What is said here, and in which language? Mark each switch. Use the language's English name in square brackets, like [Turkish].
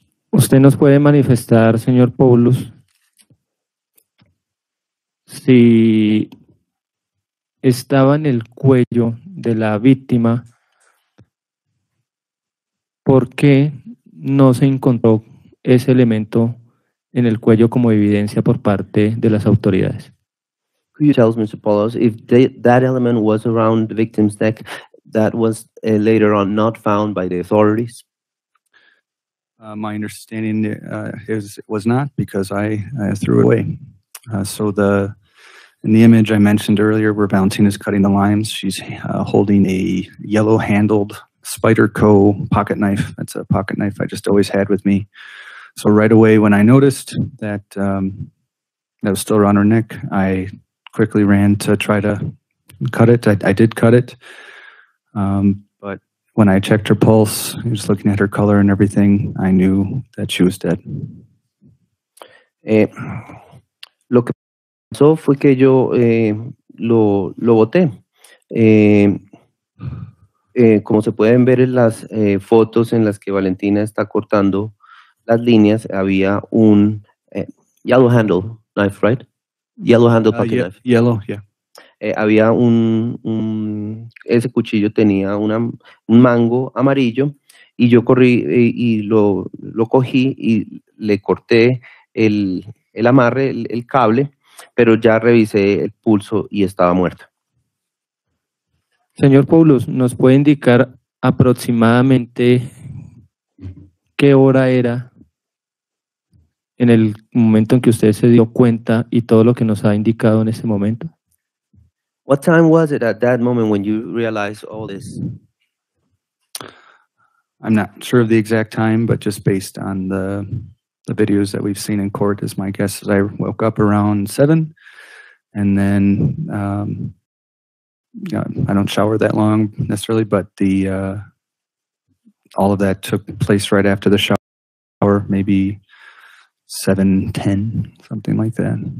[Spanish] ¿Usted nos puede manifestar, señor Poulos, si estaba en el cuello de la víctima, por qué no se encontró ese elemento en el cuello como evidencia por parte de las autoridades? [English] Could you tell us, Mr. Poulos, if that element was around the victim's neck, that was later on not found by the authorities? My understanding is it was not, because I threw it away. In the image I mentioned earlier where Valentina's cutting the limes, she's holding a yellow-handled Spyderco pocket knife. That's a pocket knife I just always had with me. So right away when I noticed that that was still around her neck, I quickly ran to try to cut it. I did cut it. When I checked her pulse, just looking at her color and everything, I knew that she was dead. [Spanish] Lo que pasó fue que yo lo boté. Como se pueden ver en las fotos en las que Valentina está cortando las líneas había un [English] yellow handle knife, right? Yellow handle pocket knife. Yellow, yeah. [Spanish] Había un ese cuchillo tenía un mango amarillo y yo corrí y lo cogí y le corté el amarre, el cable, pero ya revisé el pulso y estaba muerto. Señor Poulos, ¿nos puede indicar aproximadamente qué hora era en el momento en que usted se dio cuenta y todo lo que nos ha indicado en ese momento? [English] What time was it at that moment when you realized all this? I'm not sure of the exact time, but just based on the videos that we've seen in court, is my guess that I woke up around 7, and then I don't shower that long necessarily, but the all of that took place right after the shower, maybe 7:10, something like that.